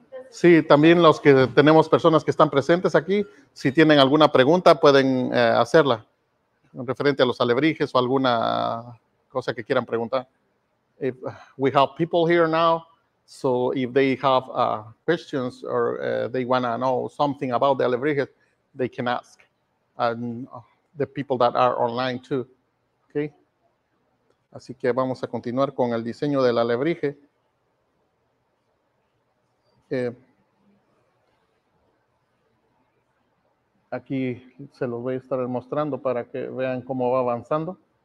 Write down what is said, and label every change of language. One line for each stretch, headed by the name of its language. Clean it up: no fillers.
Spanish: Sí, también los que tenemos personas que están presentes aquí, si tienen alguna pregunta, pueden hacerla referente a los alebrijes o alguna cosa que quieran preguntar.
English: If we have people here now, so if they have questions or they want to know something about the alebrijes, they can ask. And the people that are online too. Okay?
Spanish: Así que vamos a continuar con el diseño del alebrije. Aquí se los voy a estar mostrando para que vean cómo va avanzando.